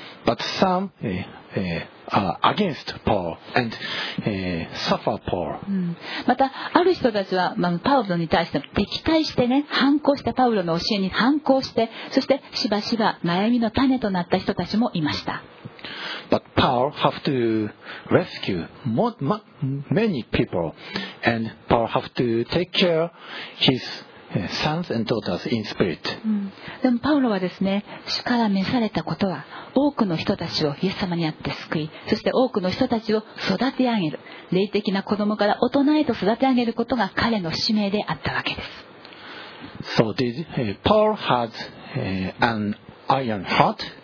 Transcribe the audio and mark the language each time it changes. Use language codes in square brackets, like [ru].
[en] But some against Paul and suffer Paul. [ja] またある人たちは、パウロに対して敵対してね、反抗して、パウロの教えに反抗して、そしてしばしば悩みの種となった人たちもいました。 [en] But Paul have to rescue many people and Paul have to take care his sons and daughters in spirit. [ja] でもパウロはですね、主から召されたことは多くの人たちをイエス様にあって救い、そして多くの人たちを育て上げる、霊的な子供から大人へと育て上げることが彼の使命であったわけです。 [en] So did Paul had an iron heart?